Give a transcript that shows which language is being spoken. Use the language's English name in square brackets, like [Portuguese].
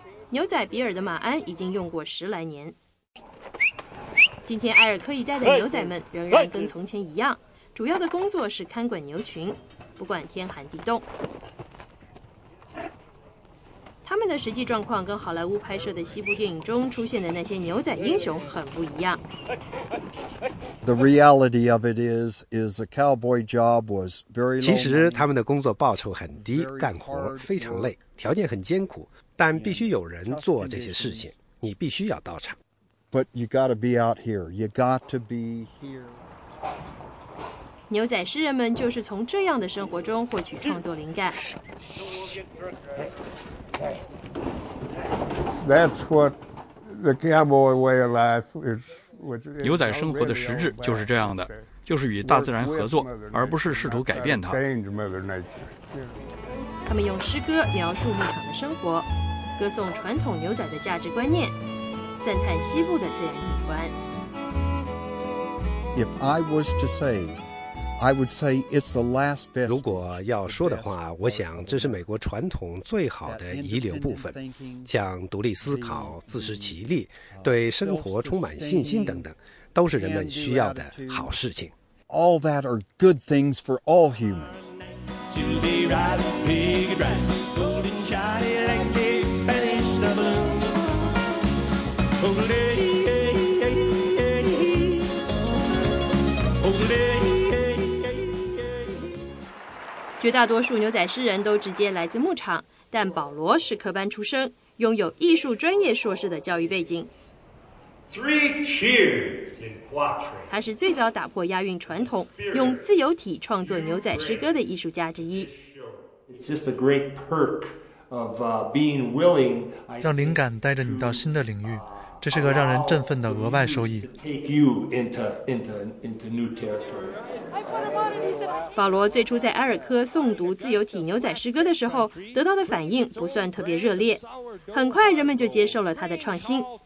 [Chinese] 牛仔比尔的马鞍已经用过10来年。今天埃尔科一带的牛仔们仍然跟从前一样，主要的工作是看管牛群，不管天寒地冻。他们的实际状况跟好莱坞拍摄的西部电影中出现的那些牛仔英雄很不一样。 [English] The reality of it is a cowboy job was very. [Chinese] 其实他们的工作报酬很低，干活非常累，条件很艰苦，但必须有人做这些事情，你必须要到场。 [English] But you got to be out here. You got to be here. [Chinese] 牛仔诗人们就是从这样的生活中获取创作灵感。 [English] That's what the cowboy way of life is. [Chinese] 牛仔生活的实质就是这样的，就是与大自然合作，而不是试图改变它。他们用诗歌描述牧场的生活，歌颂传统牛仔的价值观念，赞叹西部的自然景观。 [English] If I was to say. I would say it's the last best. [Chinese] 如果要说的话，我想这是美国传统最好的遗留部分，像独立思考、自食其力、对生活充满信心等等，都是人们需要的好事情。 [English] All that are good things for all humans. [Chinese] 绝大多数牛仔诗人都直接来自牧场，但保罗是科班出生，拥有艺术专业硕士的教育背景。 [English] Three cheers in quatrain. [Chinese] 他是最早打破押韵传统，用自由体创作牛仔诗歌的艺术家之一。 [English] It's just a great perk of being willing. [Chinese] 让灵感带着你到新的领域，这是个让人振奋的额外收益。保罗最初在埃尔科诵读自由体牛仔诗歌的时候，得到的反应不算特别热烈，很快人们就接受了他的创新。